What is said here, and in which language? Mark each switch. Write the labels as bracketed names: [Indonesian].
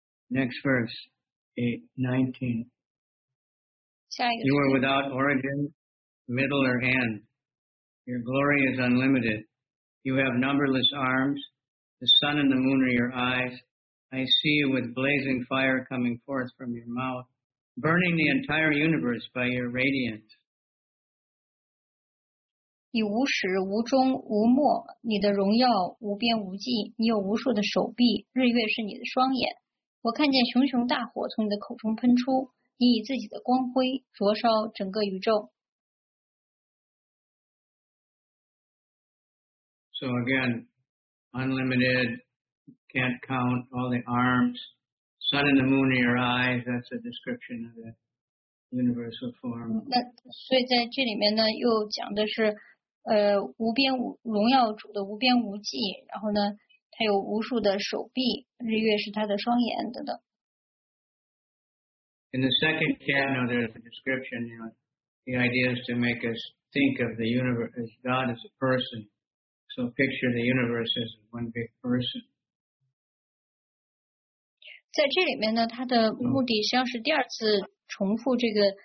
[English] Next verse 8:19. You are without origin, middle, or end. Your glory is unlimited. You have numberless arms. The sun and the moon are your eyes. I see you with blazing fire coming forth from your mouth, burning the entire universe by your radiance. [Chinese] 你无始无终无末，你的荣耀无边无际，你有无数的手臂，日月是你的双眼。我看见熊熊大火从你的口中喷出，你以自己的光辉灼烧整个宇宙。 [English] So again, unlimited, can't count all the arms, sun and the moon in your eyes, that's a description of the universal form. [Chinese] 那所以在这里面呢，又讲的是无边无荣耀主的无边无际，然后呢，他有无数的手臂，日月是他的双眼等等。 [English] In the second canon, there's a description. You know, the idea is to make us think of the universe as God as a person. So picture the universe as one big person. [Chinese] 在这里面呢，他的目的像是第二次重复这个。